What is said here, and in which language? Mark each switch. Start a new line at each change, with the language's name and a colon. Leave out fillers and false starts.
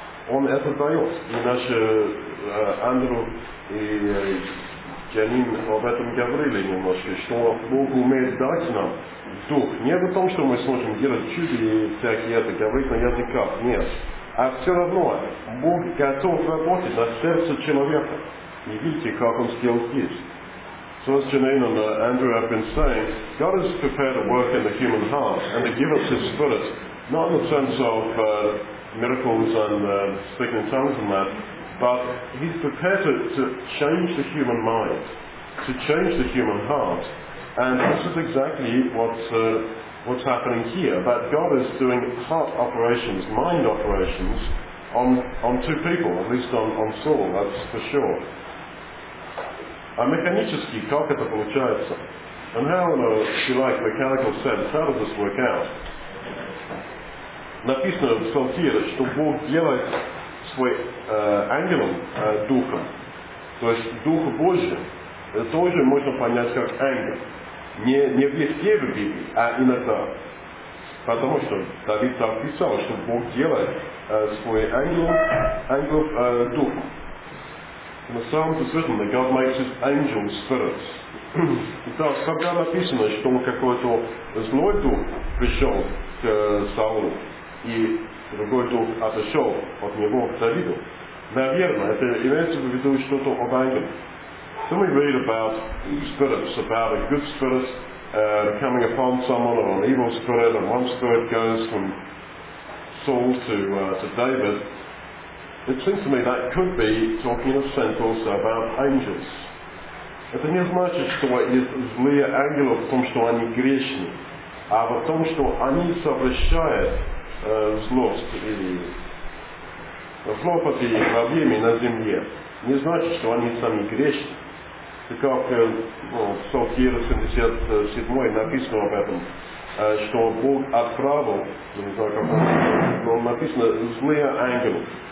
Russian: Он это дает. И наши Андрю и Джанин об этом говорили немножко, что Бог умеет дать нам дух. Не в том, что мы сможем делать чуды и всякие это, говорить на языках, нет. А все равно, Бог готов работать на сердце человека. И видите, как он
English: still is. So as Janine and Andrew have been saying, God is prepared to work in the human heart and to give us his spirit, not in the sense of miracles and speaking in tongues and that, but he's prepared to change the human mind, to change the human heart. And this is exactly what's happening here, that God is doing heart operations, mind operations, on two people, at least on Saul, that's for sure.
Russian: А механически, как это получается?
English: And how, in a, if you like, mechanical sense, how does this work out?
Russian: Написано в Псалтире, что Бог делает свой ангелом, духом. То есть Дух Божий, это тоже можно понять как ангел. Не везде в Библии, а иногда. Потому что Давид так писал, что Бог делает свой ангел духом.
English: In the Psalms it's written that God makes his angel spirits.
Russian: Итак, когда написано, что какой-то злой дух пришел к Саулу, и другой дух отошел от него к Давиду, наверное, это имеется в виду что-то об ангеле.
English: So we read about spirits, about a good spirit coming upon someone or an evil spirit, and one spirit goes from Saul to David, it seems to me that could be talking in a sense also about angels.
Russian: Это не значит, что есть злые ангелы, в том, что они грешны, а в том, что они совращают злопотребление проблемы на земле. Не значит, что они сами грешны. Как в Псалтире 77 написано об этом, что Бог отправил, не знаю, как он, но написано, злые ангелы.